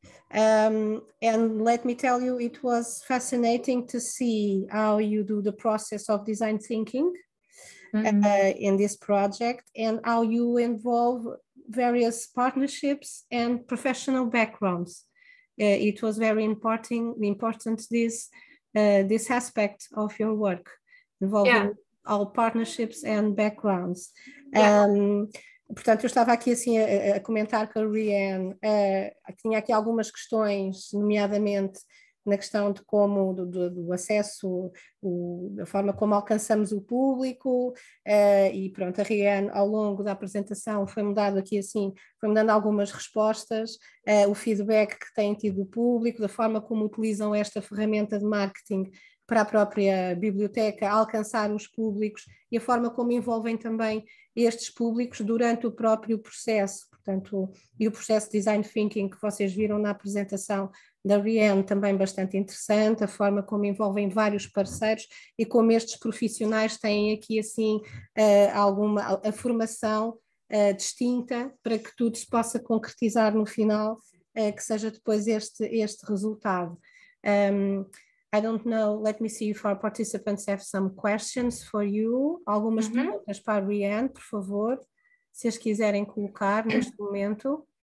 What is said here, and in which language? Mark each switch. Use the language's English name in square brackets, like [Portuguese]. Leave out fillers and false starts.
[English] And let me tell you, it was fascinating to see how you do the process of design thinking in this project, and how you involve various partnerships and professional backgrounds. It was very important this aspect of your work, involving all partnerships and backgrounds. [Portuguese] Portanto, eu estava aqui assim a comentar com a Rianne, tinha aqui algumas questões, nomeadamente na questão de como do acesso, da forma como alcançamos o público, e pronto, a Rianne ao longo da apresentação foi-me dado aqui assim, foi-me dando algumas respostas, o feedback que têm tido o público, da forma como utilizam esta ferramenta de marketing para a própria biblioteca, alcançar os públicos e a forma como envolvem também estes públicos durante o próprio processo, portanto, e o processo de design thinking que vocês viram na apresentação da Rianne, também bastante interessante, a forma como envolvem vários parceiros e como estes profissionais têm aqui assim alguma a formação distinta para que tudo se possa concretizar no final, que seja depois este resultado. [English] I don't know, let me see if our participants have some questions for you. [Portuguese] Algumas perguntas para a Rianne, por favor, se as quiserem colocar neste momento.